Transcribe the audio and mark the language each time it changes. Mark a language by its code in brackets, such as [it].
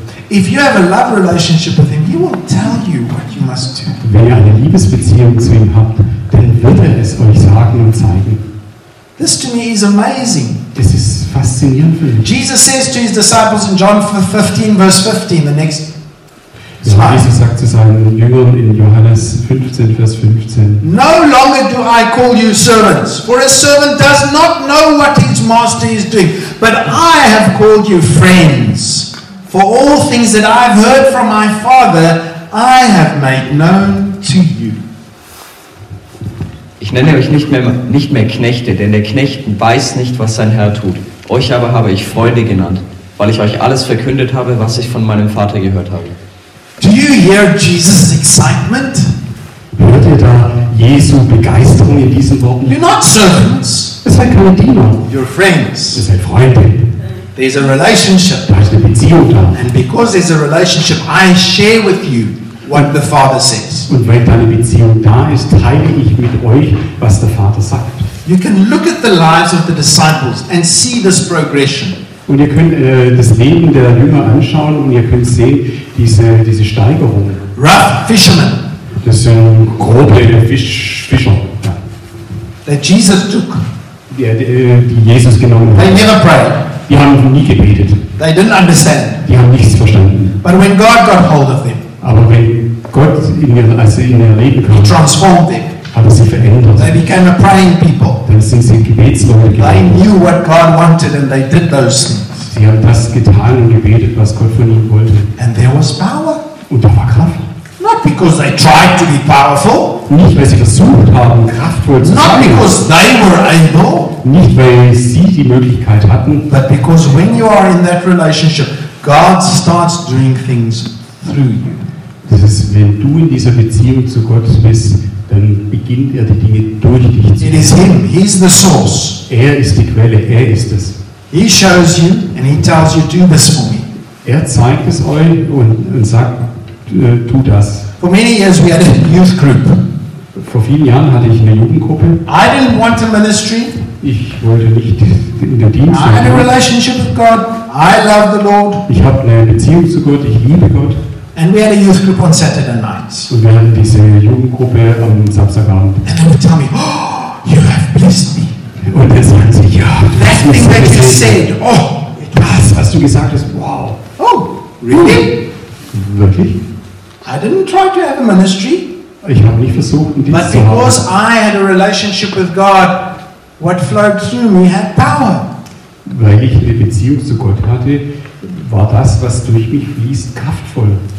[en] If you have a love relationship with him, he will tell you what you must do. [de] Wenn ihr eine Liebesbeziehung zu ihm habt, dann wird er es euch sagen und zeigen. [en] This to me is amazing. [de] Das ist faszinierend für mich. [en] Jesus says to his disciples in John 15, verse 15, the next slide. [de] Jesus sagt zu seinen Jüngern in Johannes 15, Vers 15. [en] No longer do I call you servants, for a servant does not know what his master is doing. But I have called you friends, for all things that I have heard from my Father, I have made known to you. [de] Ich nenne euch nicht mehr Knechte, denn der Knecht weiß nicht, was sein Herr tut. Euch aber habe ich Freunde genannt, weil ich euch alles verkündet habe, was ich von meinem Vater gehört habe. [en] Do you hear Jesus' excitement? [de] Hört ihr da Jesu Begeisterung in diesen Worten? [en] You're not servants. [de] Ihr seid keine Diener. [en] You're friends. [de] Ihr seid Freunde. [en] There's a relationship. [de] Da ist eine Beziehung da. [en] And because there's a relationship, I share with you what the Father says. [de] Und wenn deine Beziehung da ist, teile ich mit euch, was der Vater sagt. [en] You can look at the lives of the disciples and see this progression. [de] Und ihr könnt das Leben der Jünger anschauen und ihr könnt sehen diese Steigerung. [en] Rough fishermen. [de] Das sind grobe Fischer. Ja. [en] That Jesus took. [de] Die Jesus genommen hat. [en] They never prayed. [de] Die haben nie gebetet. [en] They didn't understand. [de] Die haben nichts verstanden. [en] But when God got hold of them. [de] Aber wenn Gott in ihr Leben kam, [en] He transformed them. [de] Hat er sie verändert. [en] They became a praying people. [de] Dann sind sie Gebetsleute geworden. [en] They knew what God wanted and they did those things. [de] Sie haben das getan und gebetet, was Gott von ihnen wollte. [en] And there was power. [de] Und da war Kraft. [en] Not because they tried to be powerful. [de] Nicht weil sie versucht haben, kraftvoll zu sein. [en] Not because they were able. [de] Nicht weil sie die Möglichkeit hatten. [en] But because when you are in that relationship, God starts doing things through you. [de] Das ist, wenn du in dieser Beziehung zu Gott bist, dann beginnt er die Dinge durch dich zu [en] machen. It is him. He's the source. [de] Er ist die Quelle. Er ist es. [en] He shows you and he tells you, do this for me. [de] Er zeigt es euch und sagt, tu das. [en] For many years we had a youth group. [de] Vor vielen Jahren hatte ich eine Jugendgruppe. [en] I didn't want a ministry. [de] Ich wollte nicht in den Dienst. [en] I had a relationship with God. I love the Lord. [de] Ich habe eine Beziehung zu Gott. Ich liebe Gott. [en] And we had a youth group on Saturday nights. [de] Und wir hatten diese Jugendgruppe am Samstagabend. [en] And they would tell me, oh, you have blessed me. [de] Und dann sagen sie, ja, [en] that thing that you [de] gesehen. [en] Said, oh, [de] das, was du gesagt hast, wow. [en] Oh, really? [de] Wirklich? [en] I didn't try to have a ministry. [de] Ich habe nicht versucht, einen Dienst zu haben. [en] But because I had a relationship with God, what flowed through me had power. [de] Weil ich eine Beziehung zu Gott hatte, war das, was durch mich fließt, kraftvoll.